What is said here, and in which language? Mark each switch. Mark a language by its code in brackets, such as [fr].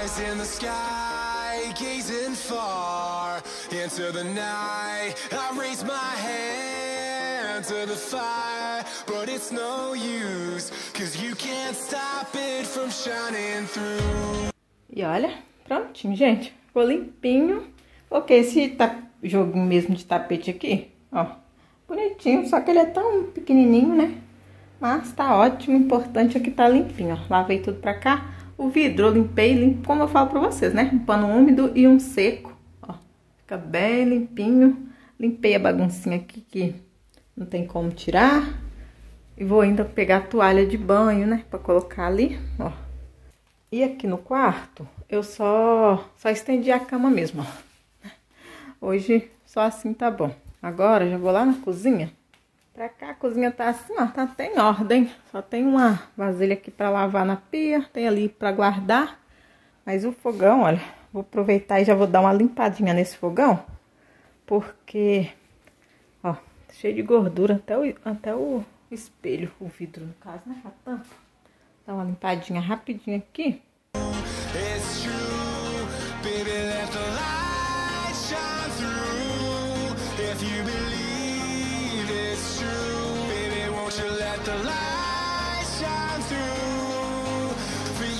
[en] In the sky, gazing far into the night, I raise my hand to the fire, but it's no use, 'cause you can't stop it from shining through. [pt] E olha, prontinho, gente. Ficou limpinho. Ok, esse jogo mesmo de tapete aqui, ó, bonitinho, só que ele é tão pequenininho, né? Mas tá ótimo. O importante é que tá limpinho, ó. Lavei tudo pra cá. O vidro eu limpei, como eu falo pra vocês, né? Um pano úmido e um seco, ó. Fica bem limpinho. Limpei a baguncinha aqui que não tem como tirar. E vou ainda pegar a toalha de banho, né? Pra colocar ali, ó. E aqui no quarto, eu só estendi a cama mesmo, ó. Hoje só assim tá bom. Agora já vou lá na cozinha. Pra cá a cozinha tá assim, ó, tá até em ordem. Só tem uma vasilha aqui pra lavar na pia, tem ali pra guardar. Mas o fogão, olha, vou aproveitar e já vou dar uma limpadinha nesse fogão. Porque, ó, cheio de gordura, até o espelho, o vidro no caso, né, a tampa. Dá uma limpadinha rapidinho aqui. [en] It's true, baby, let the light shine through. If you believe it's true, baby, won't you let the light shine through?